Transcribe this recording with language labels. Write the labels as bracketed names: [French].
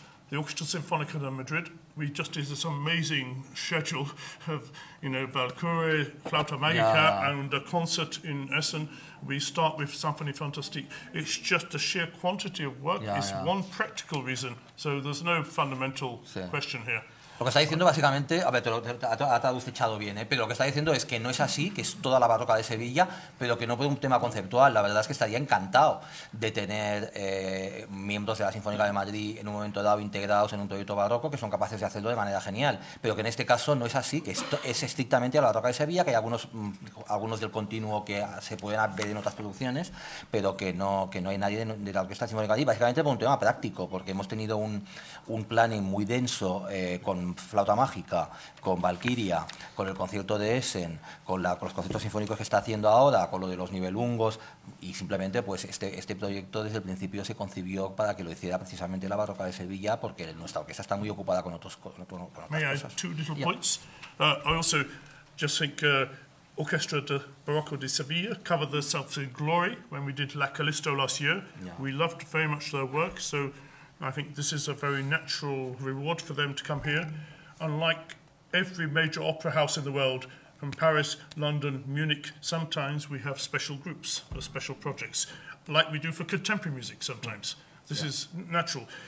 [English] The Orchestra Sinfónica de Madrid, we just did this amazing schedule of, Valkyrie, Flauta Magica, and a concert in Essen. We start with Symphonie Fantastique. It's just the sheer quantity of work. One practical reason. So there's no fundamental question here. [Spanish] Lo que está diciendo básicamente, a ver, ha traducido bien, pero lo que está diciendo es que no es así, que es toda la barroca de Sevilla, pero que no por un tema conceptual. La verdad es que estaría encantado de tener miembros de la Sinfónica de Madrid en un momento dado integrados en un proyecto barroco, que son capaces de hacerlo de manera genial, pero que en este caso no es así, que es estrictamente la barroca de Sevilla, que hay algunos del continuo que se pueden ver en otras producciones, pero que no hay nadie de la Orquesta Sinfónica de Madrid, básicamente por un tema práctico, porque hemos tenido un planning muy denso con Flauta Mágica, con Valquiria, con el concierto de Essen, con los conciertos sinfónicos que está haciendo ahora, con lo de los Nibelungos, y simplemente pues este proyecto desde el principio se concibió para que lo hiciera precisamente la Barroca de Sevilla, porque nuestra orquesta está muy ocupada con otros con otras cosas. [English] May I add two little points? I also just think Orchestra de Barroco de Sevilla covered themselves in glory when we did La Calisto last year. We loved very much their work, so I think this is a very natural reward for them to come here. Unlike every major opera house in the world, from Paris, London, Munich, sometimes we have special groups or special projects, like we do for contemporary music sometimes. This is natural.